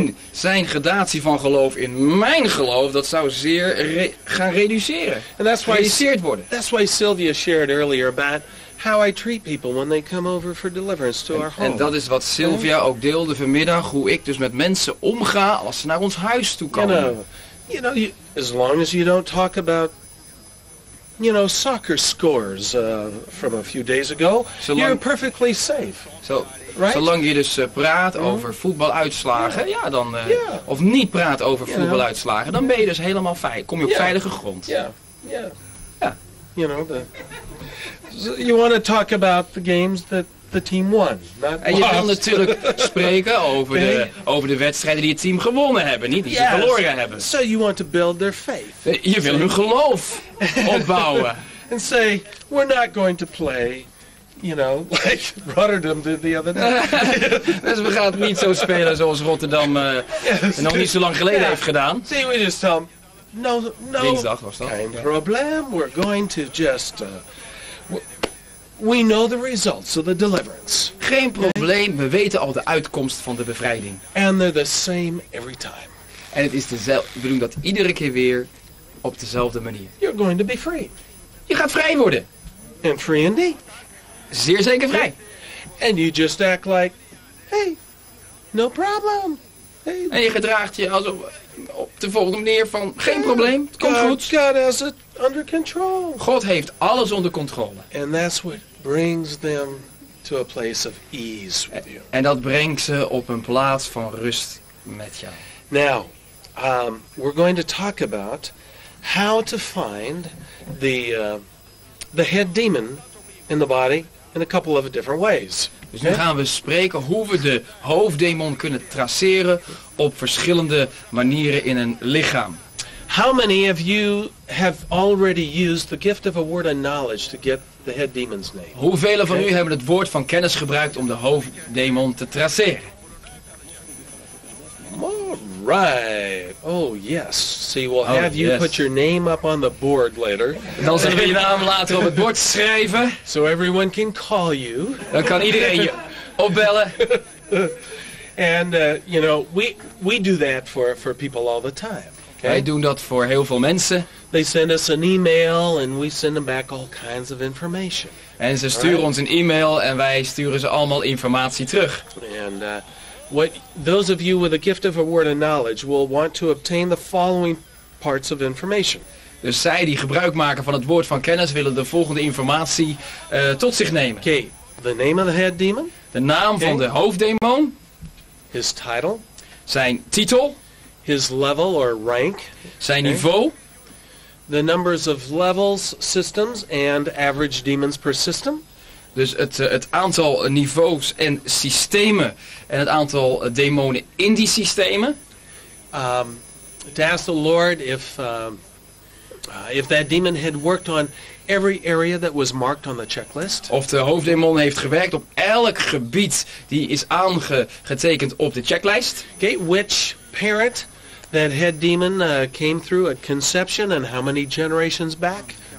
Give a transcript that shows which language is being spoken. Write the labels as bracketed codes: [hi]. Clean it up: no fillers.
[nl] Zijn gradatie van geloof in mijn geloof, dat zou zeer gaan reduceren. [en] And that's why [nl] gereduceerd worden. [en] That's why Sylvia shared earlier about how I treat people when they come over for deliverance to our home. [nl] En dat is wat Sylvia ook deelde vanmiddag, hoe ik dus met mensen omga als ze naar ons huis toe komen. [en] You know, as long as you don't talk about you know, soccer scores from a few days ago, [nl] zolang, [en] you're perfectly safe. So, right? [nl] Zolang je dus praat over voetbaluitslagen, yeah. Ja, dan, of niet praat over voetbaluitslagen, dan ben je dus helemaal veilig. Kom je op veilige grond. Ja, yeah. Ja. [en] Yeah. You know, you want to talk about the games that the team won. [nl] En je kan natuurlijk spreken over over de wedstrijden die het team gewonnen hebben, niet die ze verloren hebben. [en] So you want to build their faith. [nl] Je wil hun geloof opbouwen. [en] And say, we're not going to play, you know, like Rotterdam did the other night. [nl] Dus we gaan het niet zo spelen zoals Rotterdam nog niet zo lang geleden heeft gedaan. [en] See, we just tell them, no [nl] dinsdag was dat. [en] Kind of problem, we're going to just... We know the results of the deliverance. [nl] Geen probleem, we weten al de uitkomst van de bevrijding. [en] And they're the same every time. [nl] En het is dezelfde, we doen dat iedere keer weer op dezelfde manier. [en] You're going to be free. [nl] Je gaat vrij worden. [en] And free indeed. [nl] Zeer zeker vrij. [en] And you just act like, hey, no problem. Hey. [nl] En je gedraagt je alsof op de volgende manier van, geen probleem, het komt goed. [en] God has it under control. [nl] God heeft alles onder controle. [en] And that's what brings them to a place of ease with you. [nl] En dat brengt ze op een plaats van rust met jou. [en] Now, we're going to talk about how to find the head demon in the body in a couple of different ways. [nl] Dus nu gaan we spreken hoe we de hoofddemon kunnen traceren op verschillende manieren in een lichaam. [en] How many of you have already used the gift of a word of knowledge to get the head demon's name? [nl] Hoeveel van u hebben het woord van kennis gebruikt om de hoofddemon te traceren? [en] Right. Oh yes. See, we'll have you put your name up on the board later. [nl] Dan zullen we je naam later op het bord schrijven. [en] So everyone can call you. [nl] Dan kan iedereen je opbellen. [en] And you know, we do that for people all the time. Okay? [nl] Wij doen dat voor heel veel mensen. [en] They send us an email and we send them back all kinds of information. [nl] En ze sturen ons een e-mail en wij sturen ze allemaal informatie terug. [en] And what those of you with a gift of a word of knowledge will want to obtain the following parts of information. [nl] Dus zij die gebruik maken van het woord van kennis willen de volgende informatie tot zich nemen. [en] Okay, the name of the head demon. [nl] De naam van de hoofddemon. [en] His title. [nl] Zijn titel. [en] His level or rank. [nl] Zijn niveau. [en] The numbers of levels, systems and average demons per system. [nl] Dus het aantal niveaus en systemen en het aantal demonen in die systemen. [en] To ask the Lord if that demon had worked on every area that was marked on the checklist. [nl] Of de hoofddemon heeft gewerkt op elk gebied die is aangetekend op de checklist. [en] Okay, which parent that head demon came through at conception and how many generations back?